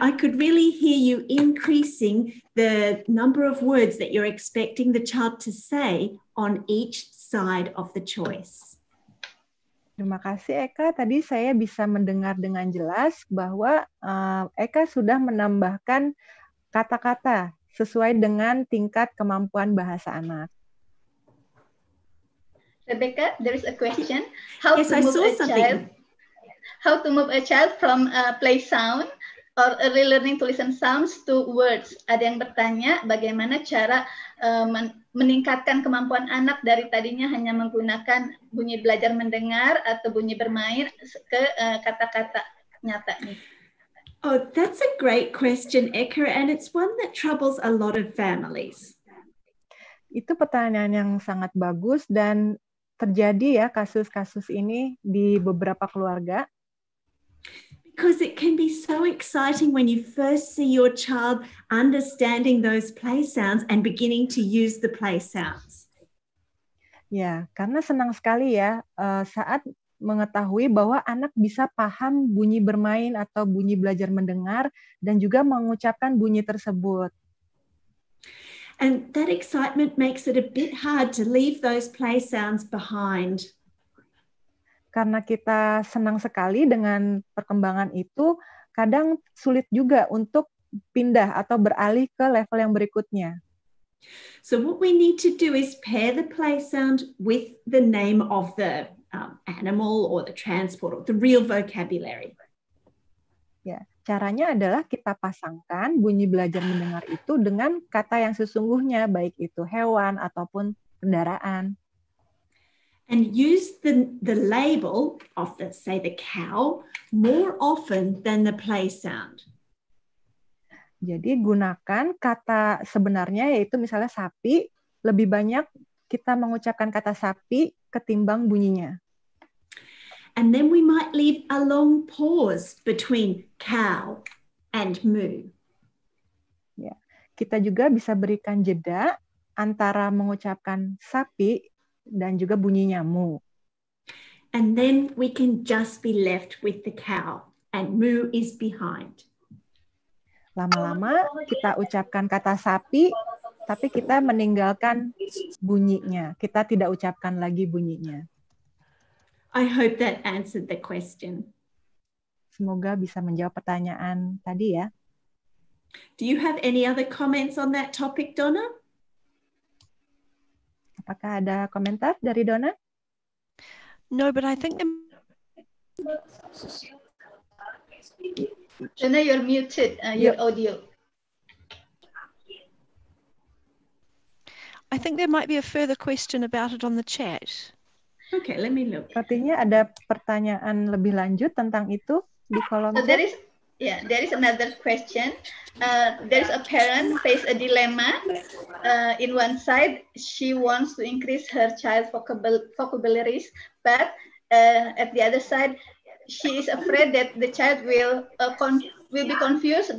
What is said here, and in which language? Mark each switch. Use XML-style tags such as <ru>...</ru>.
<en>I could really hear you increasing the number of words that you're expecting the child to say on each side of the choice.</en> <id>Terima kasih, Eka. Tadi saya bisa mendengar dengan jelas bahwa Eka sudah menambahkan kata-kata sesuai dengan tingkat kemampuan bahasa anak.</id> <en>Rebecca, there is a question. How to move a child from a play sound or early learning to listen sounds to words.</en> <id>Ada yang bertanya bagaimana cara meningkatkan kemampuan anak dari tadinya hanya menggunakan bunyi belajar mendengar atau bunyi bermain ke kata-kata nyata nih.</id> <en>Oh, that's a great question, Eka, and it's one that troubles a lot of families.</en> <id>Itu pertanyaan yang sangat bagus dan terjadi ya kasus-kasus ini di beberapa keluarga.</id> <en>Because it can be so exciting when you first see your child understanding those play sounds and beginning to use the play sounds.</en> <id>Ya, karena senang sekali ya saat mengetahui bahwa anak bisa paham bunyi bermain atau bunyi belajar mendengar dan juga mengucapkan bunyi tersebut.</id> <en>And that excitement makes it a bit hard to leave those play sounds behind.</en> <id>Karena kita senang sekali dengan perkembangan itu, kadang sulit juga untuk pindah atau beralih ke level yang berikutnya.</id> <en>So what we need to do is pair the play sound with the name of the animal or the transport or the real vocabulary.</en> <id>Ya, caranya adalah kita pasangkan bunyi belajar mendengar itu dengan kata yang sesungguhnya, baik itu hewan ataupun kendaraan.</id> <en>And use the label of the, say, the cow more often than the play sound.</en> <id>Jadi gunakan kata sebenarnya, yaitu misalnya sapi, lebih banyak kita mengucapkan kata sapi ketimbang bunyinya.</id> <en>And then we might leave a long pause between cow and moo.</en> <id>Ya, kita juga bisa berikan jeda antara mengucapkan sapi dan juga bunyi nyamu.</id> <en>And then we can just be left with the cow and moo is behind.</en> <id>Lama-lama kita ucapkan kata sapi tapi kita meninggalkan bunyinya. Kita tidak ucapkan lagi bunyinya.</id> <en>I hope that answered the question.</en> <id>Semoga bisa menjawab pertanyaan tadi ya.</id> <en>Do you have any other comments on that topic, Donna?</en> <id>Apakah ada komentar dari Donna?</id> <en>No, but I think... Donna, you're muted, your yep. audio. I think there might be a further question about it on the chat. Okay, let me look.</en> <id>Sepertinya ada pertanyaan lebih lanjut tentang itu di kolom chat.</id> <en>So there is, yeah, there is another question. There is a parent face a dilemma. In one side, she wants to increase her child vocabularies, but at the other side, she is afraid that the child will be confused.</en>